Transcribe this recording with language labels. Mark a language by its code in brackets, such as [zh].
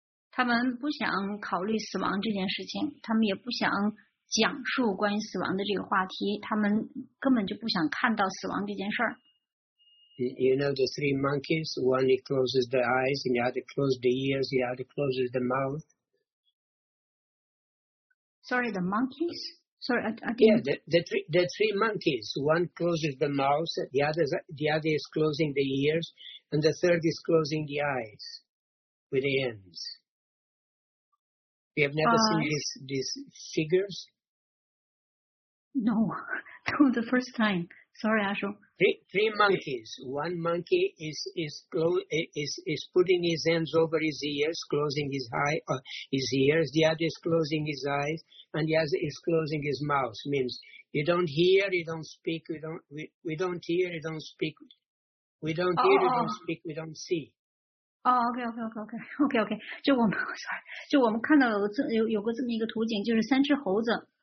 [zh] 他们不想考虑死亡这件事情，他们也不想讲述关于死亡的这个话题，他们根本就不想看到死亡这件事儿。 [en] You know the three monkeys, one closes the eyes, the other closes the ears, the other closes the mouth. Sorry, the monkeys? Sorry, the three monkeys. One closes the mouth, the other is closing the ears, and the third is closing the eyes with the ends. We have never seen these figures? No, not the first time. Sorry, Ashu. Three monkeys. One monkey is putting his hands over his ears, closing his ears. The other is closing his eyes. And he is closing his mouth, means you don't hear, you don't speak, we don't see. Oh, okay. [zh] 就我们 sorry, 就我们看到有个这么一个图景，就是三只猴子。